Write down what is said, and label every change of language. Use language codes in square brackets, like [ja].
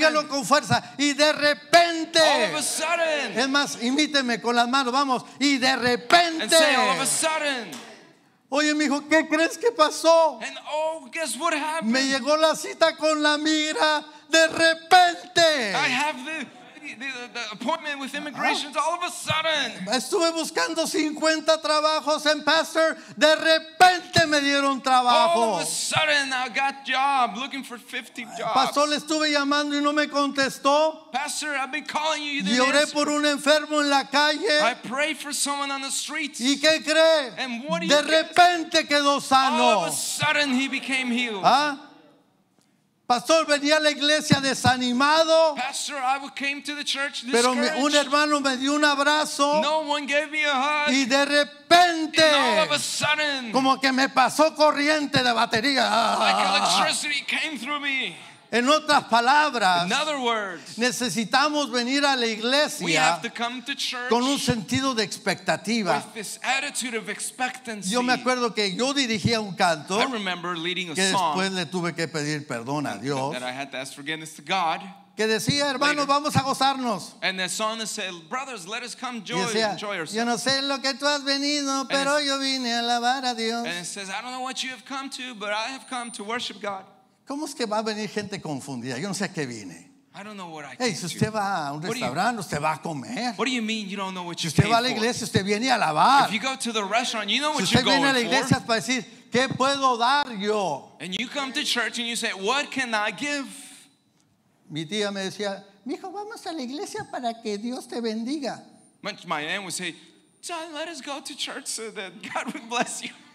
[es] Pero dígalo con fuerza y de repente. [en] All of a sudden. [es] Es más, invíteme con las manos, vamos. Y de repente. [en] And say all of a sudden. [es] Oye, mijo, ¿qué crees que pasó? [en] And oh, guess what happened? [es] Me llegó la cita con la migra de repente. [en] I have the appointment with immigration all of a sudden. [es] Estuve buscando 50 trabajos en pastor, de repente me dieron trabajo. [en] All of a sudden I got job looking for 50 jobs. [es] Pastor, le estuve llamando y no me contestó. [en] Pastor, I've been calling you, you didn't answer. [es] Lloré por un enfermo en la calle. [en] I prayed for someone on the streets. [es] ¿Y qué cree? [en] And what do you [es] de repente [en] guess? [es] Quedó sano. [en] All of a sudden he became healed. [es] ¿Ah? Pastor, venía a la iglesia desanimado. [en] Pastor, I came to the church discouraged. [es] Pero un hermano me dio un abrazo. [en] No one gave me a hug. [es] Y de repente. [en] And all of a sudden. [es] Como que me pasó corriente de batería. [en] Like electricity came through me. [es] En otras palabras, [en] in other words, [es] necesitamos venir a la iglesia [en] we have to come to church [es] con un sentido de expectativa. [en] With this attitude of expectancy. [es] Yo me acuerdo que yo dirigía un canto [en] I remember leading a [es] que después [en] song [es] le tuve que pedir perdón a Dios. [en] That I had to ask forgiveness to God. [es] Que decía, hermanos, vamos a gozarnos. [en] And the song that said, brothers, let us come joy, [es] decía, [en] and enjoy ourselves. [es] Yo no sé lo que tú has venido, pero yo vine a alabar a Dios. [en] And it says, I don't know what you have come to, but I have come to worship God. [es] ¿Cómo es que va a venir gente confundida? Yo no sé a qué vine. [en] I don't know what I [es] hey, si usted va a un restaurante, usted va a comer. [en] What do you mean you don't know what you [es] si usted va a la iglesia, [en] for? [es] Usted viene a alabar. [en] If you go to the restaurant, you know what [es] si usted [en] you're [es] viene [en] going [es] a la iglesia [en] for? [es] Para decir, ¿qué puedo dar yo? [en] And you come to church and you say, what can I give? [es] Mi tía me decía, mijo, vamos a la iglesia para que Dios te bendiga. [en] My aunt would say, John, let us go to church so that God would bless you.